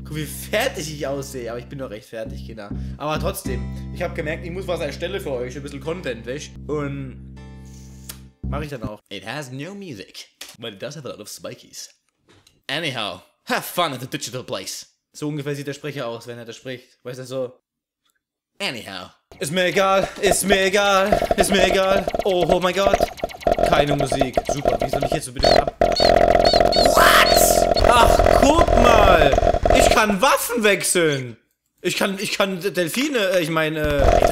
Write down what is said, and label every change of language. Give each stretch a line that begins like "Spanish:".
German: Guck, wie fertig ich aussehe. Aber ich bin doch recht fertig, Kinder. Aber trotzdem, ich habe gemerkt, ich muss was erstellen für euch. Ein bisschen Content, wisch. Und mache ich dann auch.
English: It has no music. But it does have a lot of spikies. Anyhow, have fun at the digital place.
German: So ungefähr sieht der Sprecher aus, wenn er das spricht. Weißt du, so.
English: Anyhow.
German: Ist mir egal, ist mir egal, ist mir egal. Oh, oh mein Gott. Keine Musik. Super, wie soll ich jetzt so bitte ab?
English: What?
German: Ach, guck mal. Ich kann Waffen wechseln. Ich kann Delfine, ich meine.